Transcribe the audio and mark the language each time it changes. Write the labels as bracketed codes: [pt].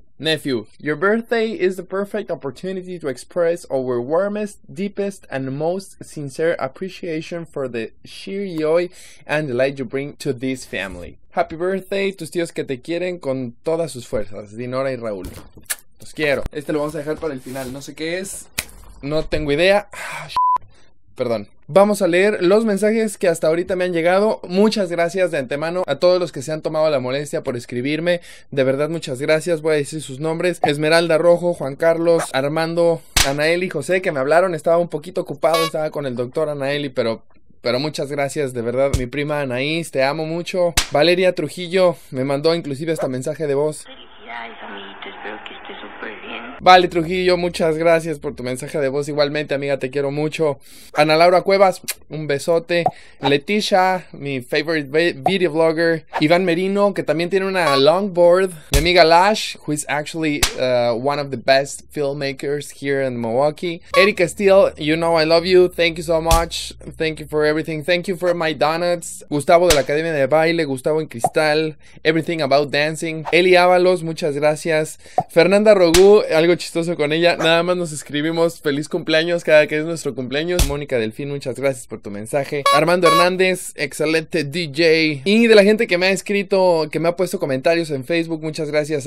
[en] Nephew, your birthday is the perfect opportunity to express our warmest, deepest, and most sincere appreciation for the sheer joy and delight you bring to this family. Happy birthday, [es] tus tíos que te quieren con todas sus fuerzas, Dinora y Raúl. Los quiero. Este lo vamos a dejar para el final, no sé qué es, no tengo idea. Perdón. Vamos a leer los mensajes que hasta ahorita me han llegado. Muchas gracias de antemano a todos los que se han tomado la molestia por escribirme. De verdad, muchas gracias. Voy a decir sus nombres. Esmeralda Rojo, Juan Carlos, Armando, Anael y José, que me hablaron. Estaba un poquito ocupado, estaba con el doctor Anael, pero muchas gracias, de verdad. Mi prima Anaís, te amo mucho. Valeria Trujillo me mandó inclusive hasta mensaje de voz. Felicidades, amiguito. Espero que estés súper bien. Vale, Trujillo, muchas gracias por tu mensaje de voz. Igualmente, amiga, te quiero mucho. Ana Laura Cuevas, un besote. Leticia, mi [en] favorite video blogger. [es] Iván Merino, que también tiene una longboard. Mi amiga [en] Lash, who is actually one of the best filmmakers here in Milwaukee. Eric Castillo, you know I love you. Thank you so much. Thank you for everything. Thank you for my donuts. Gustavo de la Academia de Baile, Gustavo en Cristal. Everything about dancing. [es] Eli Ábalos, muchas gracias. Fernanda Rogú, algo chistoso con ella, nada más nos escribimos feliz cumpleaños cada que es nuestro cumpleaños. Mónica Delfín, muchas gracias por tu mensaje. Armando Hernández, excelente DJ. Y de la gente que me ha escrito, que me ha puesto comentarios en Facebook, muchas gracias.